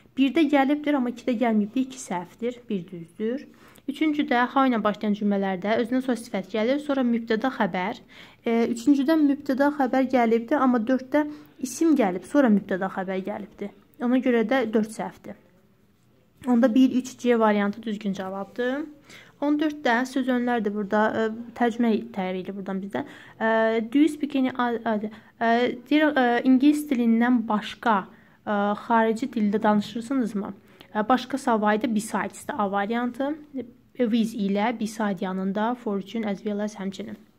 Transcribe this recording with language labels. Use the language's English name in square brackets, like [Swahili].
[Azerbaijani] Birdə gəlibdir, amma ikidə gəlməyibdir, iki səhvdir, bir düzdür. Üçüncüdə how-la başlayan cümlələrdə özündən sonra sifət gəlir, sonra mübtəda xəbər. Üçüncüdə mübtəda xəbər gəlibdir, amma dörddə isim gəlib, sonra mübtəda xəbər gəlibdir. Ona görə də dörd səhvdir. Onda 1-3-C variantı düzgün cavabdır. 14-də söz önlərdir burada. Tərcümə təyirilir buradan bizdə. [English] Do you speak any other? [Azerbaijani] İngiliz dilindən başqa xarici dildə danışırsınızmı? Başqa savayda besides də A variantı. With ilə beside yanında for üçün as well as həmçinin.